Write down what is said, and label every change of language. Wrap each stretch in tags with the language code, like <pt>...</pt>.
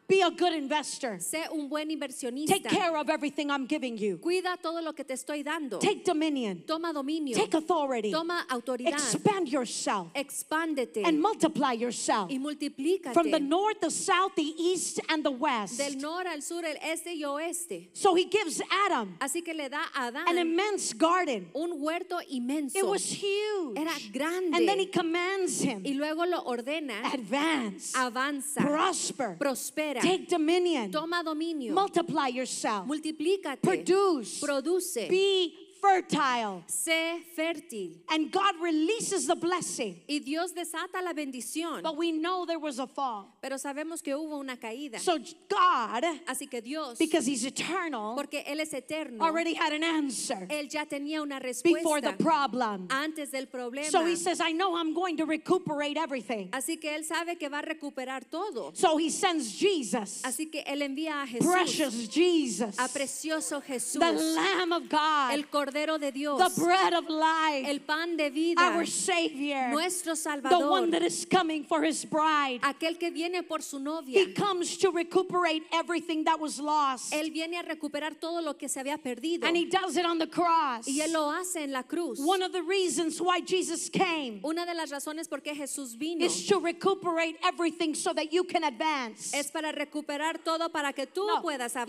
<en>Be a good investor.</en> <es>Sé un buen inversionista.</es> <en>Take care of everything I'm giving you.</en> <es>Cuida todo lo que te estoy dando.</es> <en>Take dominion.</en> <es>Toma dominio.</es> <en>Take authority.</en> <es>Toma autoridad.</es> <en>Expand yourself.</en> <es>Expándete.</es> <en>And multiply yourself.</en> <es>Y multiplícate.</es> <en>From the north, the south, the east, and the west.</en> <es>Del norte al sur, el este y oeste.</es> <en>So he gives Adam,</en> <es>así que le da a Adán,</es> <en>an immense garden.</en> <es>Un huerto inmenso.</es> <en>It was huge.</en> <es>Era grande.</es> <en>And then he commands him.</en> <es>Y luego lo ordena.</es> <en>Advance.</en> <es>Avanza.</es> <en>Prosper.</en> <es>Prospera.</es> <en>Take dominion.</en> <es>Toma dominio.</es> <en>Multiply yourself.</en> <es>Multiplícate.</es> <en>Produce.</en> <es>Produce.</es> <en>Be fertile.</en> <es>Sé fértil.</es> <en>And God releases the blessing.</en> <es>Y Dios desata la bendición.</es> <en>But we know there was a fall.</en> <es>Pero sabemos que hubo una caída.</es> <en>So God,</en> <es>así que Dios,</es> <en>because he's eternal,</en> <es>porque él es eterno,</es> <en>already had an answer.</en> <es>Él ya tenía una respuesta</es> <en>before the problem.</en> <es>Antes del problema.</es> <en>So he says, I know I'm going to recuperate everything.</en> <es>Así que él sabe que va a recuperar todo.</es> <en>So he sends Jesus.</en> <es>Así que él envía a Jesús.</es> <en>Precious Jesus.</en> <es>A precioso Jesús.</es> <en>The Lamb of God.</en> <es>El Cordero de Dios.</es> <en>The bread of life.</en> <es>El pan de vida.</es> <en>Our Savior.</en> <es>Nuestro Salvador.</es> <en>The one that is coming for his bride.</en> <es>Aquel que viene por su novia.</es> <en>He comes to recuperate everything that was lost.</en> <es>Él viene a recuperar todo lo que se había perdido.</es> <en>And he does it on the cross.</en> <es>Y él lo hace en la cruz.</es> <en>One of the reasons why Jesus came.</en> <es>Una de las razones por qué Jesús vino.</es> <en>Is to recuperate everything so that you can advance.</en> <es>Es para recuperar todo para que tú puedas avanzar.</es>